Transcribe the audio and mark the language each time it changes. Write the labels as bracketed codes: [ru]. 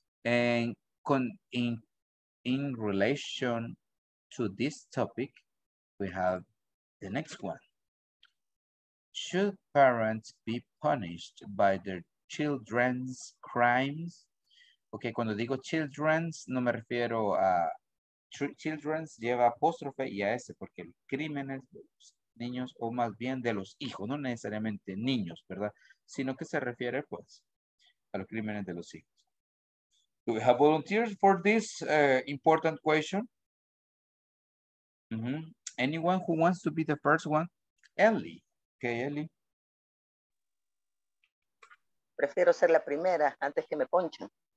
[en] And in relation to this topic, we have the next one. Should parents be punished by their children's crimes? [es] Okay, cuando digo children's, no me refiero a children's, lleva apóstrofe y a ese, porque el crimen es de los niños o más bien de los hijos, no necesariamente niños, ¿verdad? Sino que se refiere, pues, a los crímenes de los hijos. [en] Do we have volunteers for this important question? Mm-hmm. Anyone who wants to be the first one? Ellie. Okay, Ellie. [es] Prefiero ser la primera antes que me ponchen.